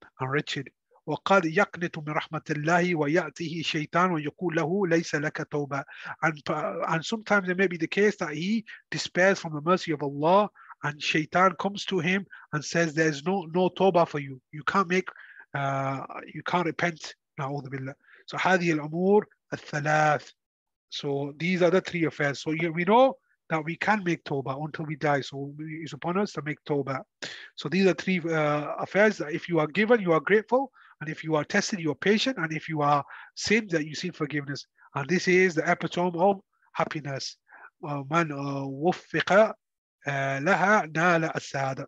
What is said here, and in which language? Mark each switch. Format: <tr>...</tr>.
<en>And wretched.</en> <ar>وَقَدْ يَقْنِتُ مِنْ رَحْمَةِ اللَّهِ وَيَأْتِهِ شَيْطَانُ وَيَقُولُ لَهُ لَيْسَ لَكَ تَوْبَةٌ.</ar> <en>And sometimes it may be the case that he despairs from the mercy of Allah, and Shaitan comes to him and says, "There's no tawbah for you. You can't make, you can't repent."</en> <ar>نَعُوذُ بِاللَّهِ.</ar> <en>So</en> <ar>هذه الأمور الثلاث.</ar> <en>So these are the three affairs. So we know that we can make tawbah until we die. So it's upon us to make tawbah. So these are three affairs that if you are given, you are grateful. And if you are tested, you are patient. And if you are sinned, that you seek forgiveness. And this is the epitome of happiness.</en> <ar>Man wuffiqa laha nala as-saada.</ar>